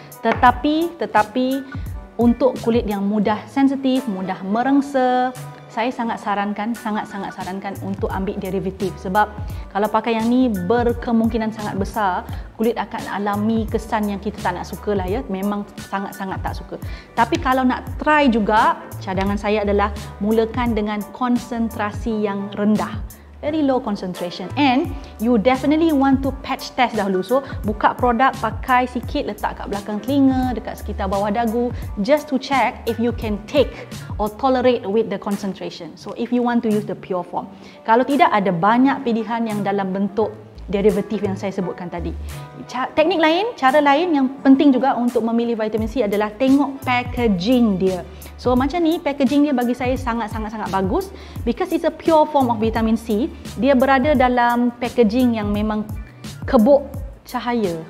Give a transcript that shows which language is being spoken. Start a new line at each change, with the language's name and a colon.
Malay: Tetapi untuk kulit yang mudah sensitif, mudah merengsa, saya sangat-sangat sarankan untuk ambil derivatif. Sebab kalau pakai yang ni, berkemungkinan sangat besar kulit akan alami kesan yang kita tak nak suka lah ya. Memang sangat-sangat tak suka. Tapi kalau nak try juga, cadangan saya adalah mulakan dengan konsentrasi yang rendah.
English: Very low concentration, and you definitely want to patch test dahulu.
Malay: So, buka produk, pakai sikit, letak kat belakang telinga, dekat sekitar bawah dagu,
English: just to check if you can take or tolerate with the concentration. So, if you want to use the pure form.
Malay: Kalau tidak, ada banyak pilihan yang dalam bentuk derivatif yang saya sebutkan tadi. Teknik lain, cara lain yang penting juga untuk memilih vitamin C adalah tengok packaging dia. So macam ni, packaging dia bagi saya sangat-sangat-sangat bagus
English: because it's a pure form of vitamin C.
Malay: Dia berada dalam packaging yang memang kebuk cahaya.